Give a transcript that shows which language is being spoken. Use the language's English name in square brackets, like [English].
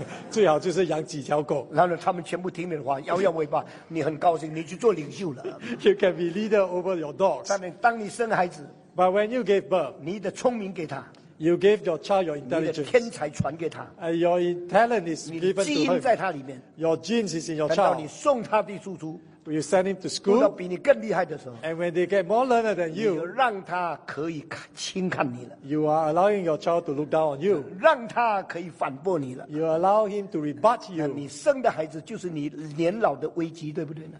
[Chinese] 最好就是养几条狗。然后他们全部听你的话，摇摇尾巴，你很高兴，你去做领袖了。 [English] You can be leader over your dogs. [Chinese] 当你生孩子 [English] ，But when you gave birth, [Chinese] 你的聪明给他。 [English] You gave your child your intelligence. [Chinese] 你的天才传给他。 [English] Your talent is given to him. [Chinese] 你的基因在他里面。 [English] Your genes is in your child. [Chinese] 等到你送他的书出。 [English] You send him to school. [Chinese] 读到比你更厉害的时候。 [English] And when they get more learned than you. [Chinese] 你让他可以轻看你了。 [English] You are allowing your child to look down on you. [Chinese] 让他可以反驳你了。 [English] You allow him to rebut you. [Chinese] 你生的孩子就是你年老的危机，对不对呢